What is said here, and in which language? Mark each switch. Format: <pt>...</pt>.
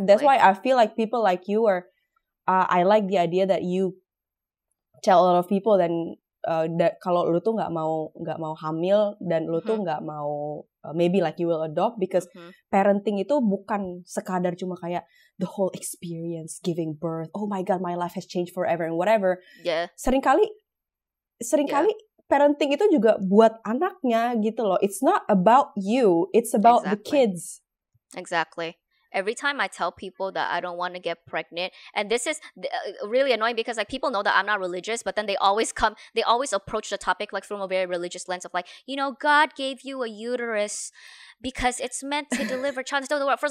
<en>And that's why I feel like people like you are, I like the idea that you tell a lot of people then, that</en> <id>kalau lu tuh gak mau hamil dan lu tuh gak mau,</id> <en>maybe like you will adopt because parenting</en> <id>itu bukan sekadar cuma kayak</id> <en>the whole experience giving birth. Oh my God, my life has changed forever and whatever. Yeah.</en> <id>Seringkali parenting itu juga buat anaknya gitu loh.</id> <en>It's not about you. It's about the kids. Exactly. Every time I tell people that I don't want to get pregnant, and this is really annoying because like people know that I'm not religious, but then they always approach the topic like from a very religious lens of like, you know, God gave you a uterus because it's meant to deliver children to the world.</en>